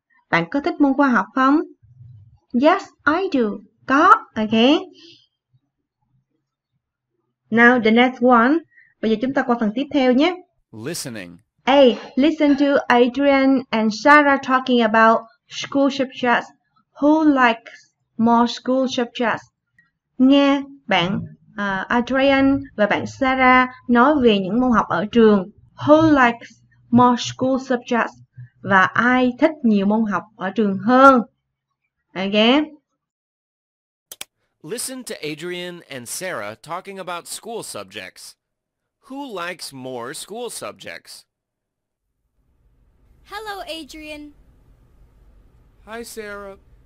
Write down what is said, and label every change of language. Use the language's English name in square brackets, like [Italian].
[Vietnamese] Bạn có thích môn khoa học không? [English] Yes, I do. Có. Ok. Now, the next one. [Vietnamese] Bây giờ chúng ta qua phần tiếp theo nhé. [English] Listening. A. Listen to Adrian and Sarah talking about school subjects. Who likes more school subjects? [Vietnamese] Nghe bạn Adrian và bạn Sarah nói về những môn học ở trường. [English] Who likes more school subjects? [Vietnamese] Và ai thích nhiều môn học ở trường hơn? [English] Okay. Listen to Adrian and Sarah talking about school subjects. Who likes more school subjects? Hello, Adrian. Hi, Sarah.